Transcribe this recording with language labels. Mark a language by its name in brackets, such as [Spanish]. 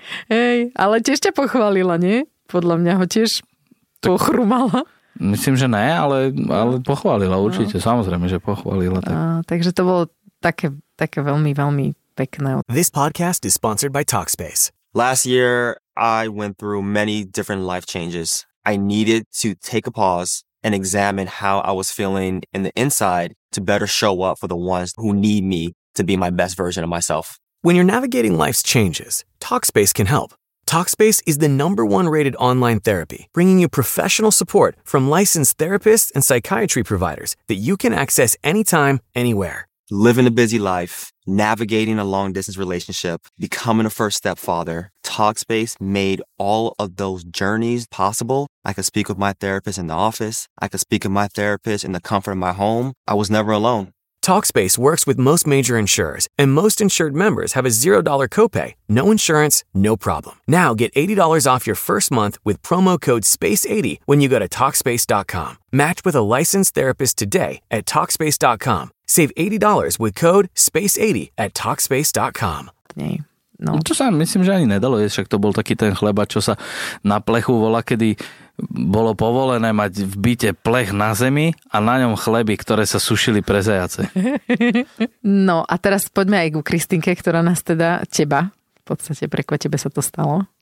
[Slovak] Hej, ale tiež ťa pochválila, nie? Podľa mňa ho tiež tak pochrumala. Myslím, že ne, ale pochválila určite. No. Samozrejme, že pochválila. Tak. Takže to bolo také veľmi, veľmi pekné. [English] This podcast is sponsored by Talkspace. Last year, I went through many different life changes. I needed to take a pause and examine how I was feeling in the inside to better show up for the ones who need me to be my best version of myself. When you're navigating life's changes, Talkspace can help. Talkspace is the number one rated online therapy, bringing you professional support from licensed therapists and psychiatry providers that you can access anytime, anywhere. Living a busy life, navigating a long-distance relationship, becoming a first-step father, Talkspace made all of those journeys possible. I could speak with my therapist in the office. I could speak with my therapist in the comfort of my home. I was never alone. Talkspace works with most major insurers, and most insured members have a $0 copay. No insurance, no problem. Now get $80 off your first month with promo code SPACE80 when you go to Talkspace.com. Match with a licensed therapist today at Talkspace.com. Save $80 with code SPACE80 at Talkspace.com. Nee. No. [Slovak] To sa myslím, že ani nedalo, však to bol taký ten chleba, čo sa na plechu volá, kedy bolo povolené mať v byte plech na zemi a na ňom chleby, ktoré sa sušili pre zajace. No a teraz poďme aj ku Kristínke, ktorá nás teda, teba, v podstate preko tebe sa to stalo.